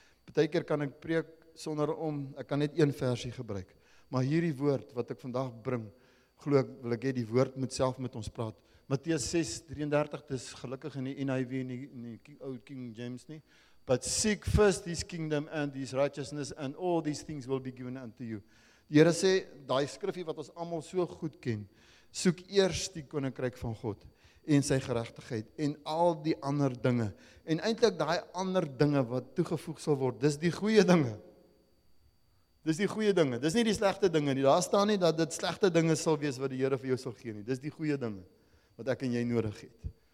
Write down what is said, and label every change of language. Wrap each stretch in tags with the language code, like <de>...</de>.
<af>Partykeer kan ek preek sonder om, ek kan net een versie gebruik, maar hierdie woord wat ek vandag bring, glo ek wil ek hê die woord moet self met ons praat. Matteus 6 33, dis gelukkig in die NIV, in die ou King James nie,</af> <en>but seek first his kingdom and his righteousness and all these things will be given unto you.</en> <af>Die Here sê, daai skrifie wat ons allemaal so goed ken, soek eerst die koninkryk van God en sy geregtigheid en al die ander dinge. En eintlik daai ander dinge wat toegevoeg sal word, dis die goeie dinge. Dis die goeie dinge, dis nie die slegte dinge nie. Daar staan nie dat dit slegte dinge sal wees wat die Here vir jou sal gee nie. Dis die goeie dinge wat ek en jy nodig het.</af>